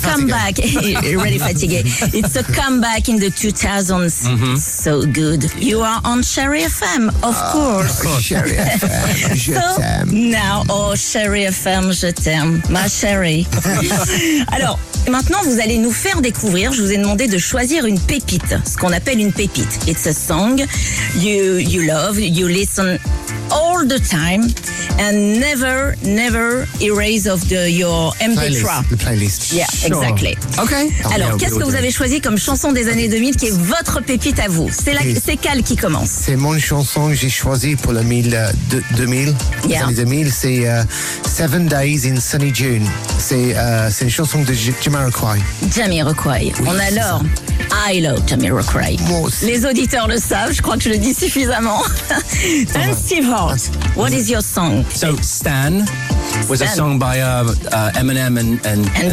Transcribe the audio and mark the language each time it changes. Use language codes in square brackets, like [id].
[en] Comeback. You're really [fr] fatigué. [en] It's a comeback in the 2000s. Mm-hmm. So good. You are on Chérie FM, of course. Of course. Chérie FM, [fr] je t'aime. [en] Now, oh, [fr] Chérie FM, je t'aime. Ma chérie. Alors, maintenant, vous allez nous faire découvrir. Je vous ai demandé de choisir une pépite, ce qu'on appelle une pépite. [en] It's a song you love, you listen all the time. And never, never erase of your MP3. The playlist. Yeah, sure. Exactly. Okay. [fr] Alors, qu'est-ce que vous avez choisi comme chanson des années 2000 qui est votre pépite à vous? C'est Cal qui commence. C'est mon chanson que j'ai choisie pour la 2000. [en] Yeah. [fr] Les années 2000, c'est Seven Days in Sunny June. C'est une chanson de Jamiroquai. Jamiroquai. Oui, on adore. [en] I love Jamiroquai. [fr] Les auditeurs le savent, je crois que je le dis suffisamment. [en] And Steve Hart, what is your song? So, Stan was Stan. A song by Eminem and